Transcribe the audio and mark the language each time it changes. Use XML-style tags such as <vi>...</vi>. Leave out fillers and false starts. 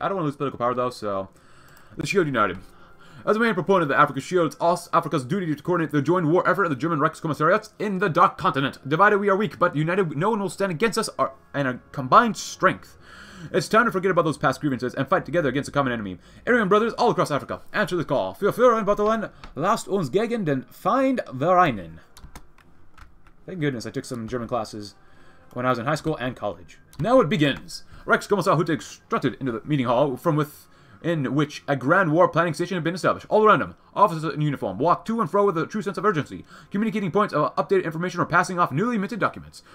<en>I don't want to lose political power, though, so... The Shield United. As a main proponent of the Africa Shield, it's us, Africa's duty to coordinate the joint war effort of the German Reichskommissariats in the Dark Continent. Divided, we are weak, but united, no one will stand against us and our combined strength. It's time to forget about those past grievances and fight together against a common enemy. Aryan brothers all across Africa, answer the call.</en> <de>Für Führer und Vaterland, lasst uns gegen den Feind vereinen.</de> <en>Thank goodness I took some German classes when I was in high school and college. Now it begins. Reichskommissar Huttig strutted into the meeting hall from within which a grand war planning station had been established. All around him, officers in uniform walked to and fro with a true sense of urgency, communicating points of updated information or passing off newly minted documents.</en>